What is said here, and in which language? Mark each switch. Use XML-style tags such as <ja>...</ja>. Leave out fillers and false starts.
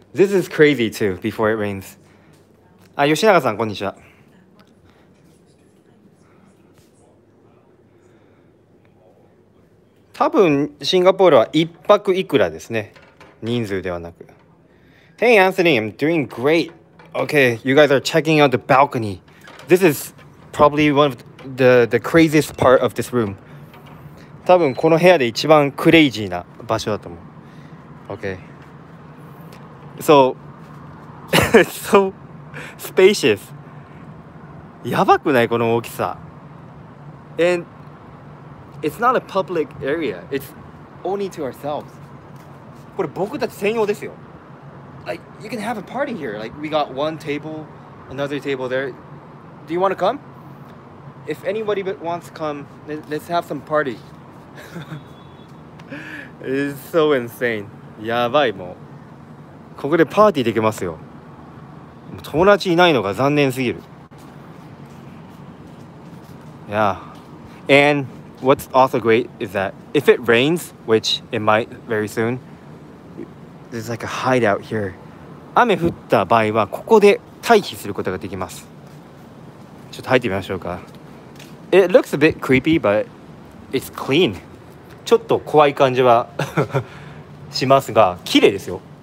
<en>This is crazy too. Before it rains.</en> <ja>あ、吉永さんこんにちは。多分シンガポールは一泊いくらですね。人数ではなく。</ja> <en>Hey Anthony, I'm doing great. Okay, you guys are checking out the balcony. This is probably one of the craziest part of this room.</en> <ja>多分この部屋で一番クレイジーな場所だと思う。</ja> <en>Okay. So, so spacious.</en> <ja>やばくないこの大きさ。</ja> <en>And... It's not a public area. It's only to ourselves.</en> <ja>これ僕たち専用ですよ。</ja> <en>Like, you can have a party here. Like, we got one table, another table there. Do you want to come? If anybody wants to come, let's have some party. It's so insane.</en> <ja>やばい、もう。ここでパーティーできますよ。友達いないのが残念すぎる。</ja> <en>Yeah. AndWhat's also great is that if it rains, which it might very soon, there's like a hideout here.</en> <ja>雨降った場合はここで待機することができます。ちょっと入ってみましょうか。</ja> <en>It looks a bit creepy, but it's clean.</en> <ja>ちょっと怖い感じはしますが、綺麗ですよ。</ja>